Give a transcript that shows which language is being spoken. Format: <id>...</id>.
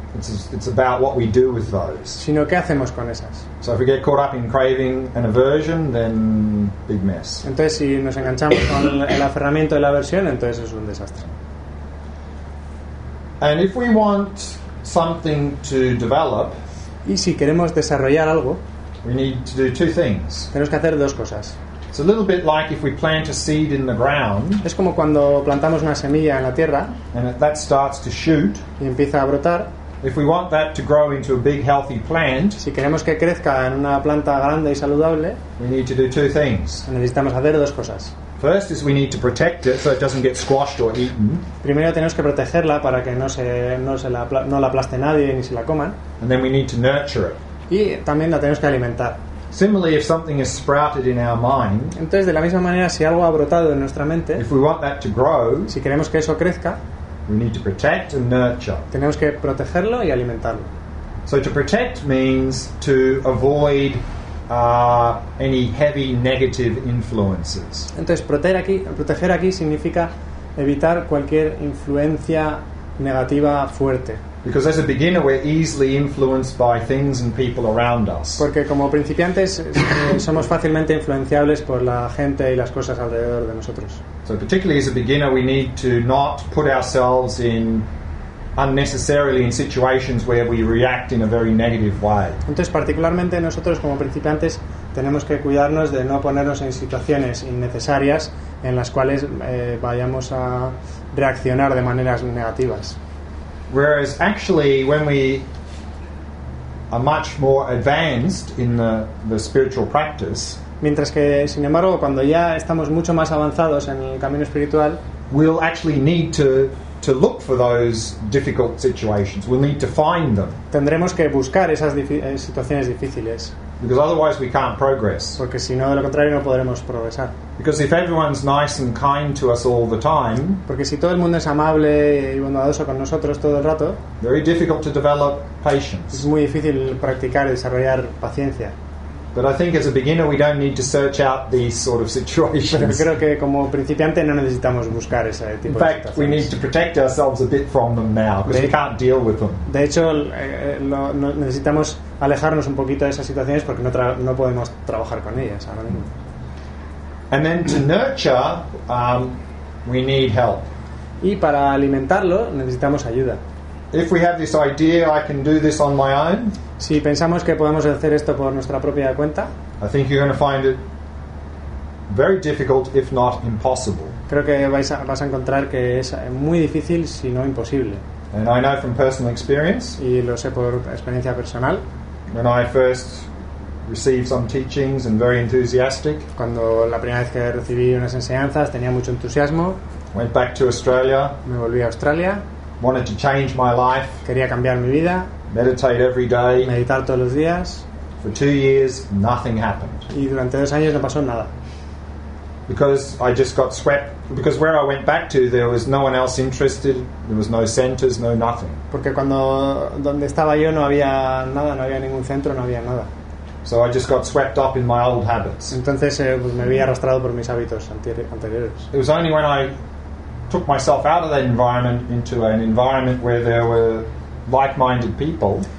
<en>It's about what we do with those.</en> <es>Sino qué hacemos con esas.</es> <en>So if we get caught up in craving and aversion, then big mess.</en> <es>Entonces si nos enganchamos con el aferramiento y la aversión, entonces es un desastre.</es> <en>And if we want something to develop,</en> <es>y si queremos desarrollar algo,</es> <en>we need to do two things.</en> <es>Tenemos que hacer dos cosas.</es> <en>It's a little bit like if we plant a seed in the ground.</en> <es>Es como cuando plantamos una semilla en la tierra.</es> <en>And that starts to shoot.</en> <es>Y empieza a brotar.</es> <en>If we want that to grow into a big, healthy plant,</en> <es>si queremos que crezca en una planta grande y saludable,</es> <en>we need to do two things.</en> <es>Necesitamos hacer dos cosas.</es> <en>First is we need to protect it so it doesn't get squashed or eaten.</en> <es>Primero tenemos que protegerla para que no la aplaste nadie ni se la coman.</es> <en>And then we need to nurture it.</en> <es>Y también la tenemos que alimentar.</es> <en>Similarly, if something is sprouted in our mind,</en> <es>entonces de la misma manera si algo ha brotado en nuestra mente,</es> <en>if we want that to grow,</en> <es>si queremos que eso crezca,</es> <en>we need to protect and nurture.</en> <es>Tenemos que protegerlo y alimentarlo.</es> <en>So to protect means to avoid any heavy negative influences.</en> <es>Entonces proteger aquí significa evitar cualquier influencia negativa fuerte.</es> <en>Because as a beginner, we're easily influenced by things and people around us.</en> <es>Porque como principiantes somos fácilmente influenciables por la gente y las cosas alrededor de nosotros.</es> <en>So particularly as a beginner, we need to not put ourselves in unnecessarily in situations where we react in a very negative way.</en> <es>Entonces, particularmente nosotros como principiantes tenemos que cuidarnos de no ponernos en situaciones innecesarias en las cuales vayamos a reaccionar de maneras negativas.</es> <en>Whereas actually when we are much more advanced in the spiritual practice,</en> <es>mientras que sin embargo cuando ya estamos mucho más avanzados en el camino espiritual,</es> <en>we'll actually need to look for those difficult situations. We'll need to find them.</en> <es>Tendremos que buscar esas situaciones difíciles.</es> <en>Because otherwise we can't progress.</en> <es>Porque si no, de lo contrario no podremos progresar.</es> <en>Because if everyone's nice and kind to us all the time,</en> <es>porque si todo el mundo es amable y bondadoso con nosotros todo el rato,</es> <en>very difficult to develop patience.</en> <es>Es muy difícil practicar y desarrollar paciencia.</es> <en>But I think as a beginner we don't need to search out these sort of situations.</en> <es>Pero creo que como principiante no necesitamos buscar ese tipo de situaciones.</es> <en>In fact, we need to protect ourselves a bit from them now because we can't deal with them.</en> <es>De hecho, necesitamos alejarnos un poquito de esas situaciones porque no podemos trabajar con ellas ahora mismo.</es> <en>And then to nurture, we need help.</en> <es>Y para alimentarlo necesitamos ayuda.</es> <en>If we have this idea, I can do this on my own.</en> <es>Si pensamos que podemos hacer esto por nuestra propia cuenta,</es> <en>I think you're going to find it very difficult, if not impossible.</en> <es>Creo que vas a encontrar que es muy difícil, si no imposible.</es> <en>And I know from personal experience.</en> <es>Y lo sé por experiencia personal.</es> <en>When I first received some teachings and very enthusiastic.</en> <es>Cuando la primera vez que recibí unas enseñanzas tenía mucho entusiasmo.</es> <en>Went back to Australia.</en> <es>Me volví a Australia.</es> <en>Wanted to change my life.</en> <es>Quería cambiar mi vida.</es> <en>Meditate every day.</en> <es>Meditar todos los días.</es> <en>For 2 years, nothing happened.</en> <es>Y durante 2 años no pasó nada.</es> <en>Because I just got swept. Because where I went back to, there was no one else interested. There was no centers, no nothing.</en> <es>Porque cuando donde estaba yo no había nada, no había ningún centro, no había nada.</es> <en>So I just got swept up in my old habits.</en> <es>Entonces pues me vi arrastrado por mis hábitos anteriores.</es> <en>It was only when I took myself out of that environment into an environment where there were like-minded people.</en>